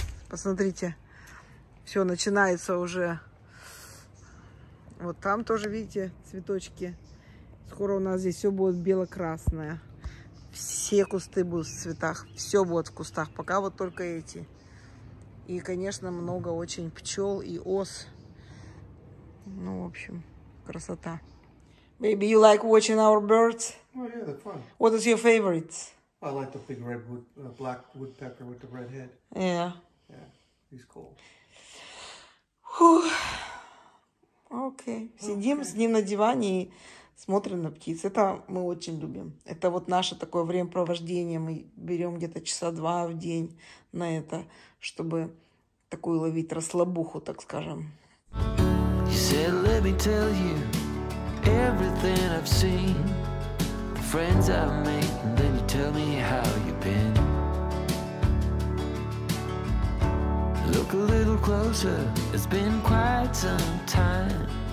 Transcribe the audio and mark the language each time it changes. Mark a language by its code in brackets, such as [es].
[ru] Посмотрите, все начинается уже. Вот там тоже, видите, цветочки. Скоро у нас здесь все будет бело-красное. Все кусты будут в цветах. Все будет в кустах. Пока вот только эти. И, конечно, много очень пчел и ос. Ну, в общем, красота. [en] Maybe you like watching our birds? Oh, yeah, they're fun. What is your favorite? I like the big red wood, black woodpecker with the red head. Yeah. Yeah, he's cool. Okay. [ru] Сидим с ним на диване и смотрим на птиц. Это мы очень любим. Это вот наше такое времяпровождение. Мы берем где-то часа два в день на это, чтобы такую ловить расслабуху, так скажем. [en] You said, let me tell you everything I've seen. Friends I've made, and then you tell me how you've been. Look a little closer, it's been quite some time.